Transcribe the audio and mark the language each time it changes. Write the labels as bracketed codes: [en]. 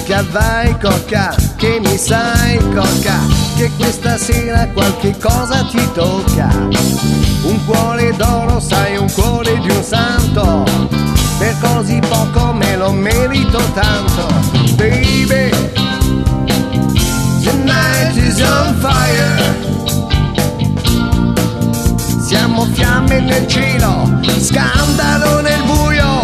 [it] Vai cocca, che mi sai cocca, che questa sera qualche cosa ti tocca. Un cuore d'oro, sai, un cuore di un santo, per così poco me lo merito tanto. [en] Baby, the night is on fire. [it] Siamo fiamme nel cielo, scandalo nel buio.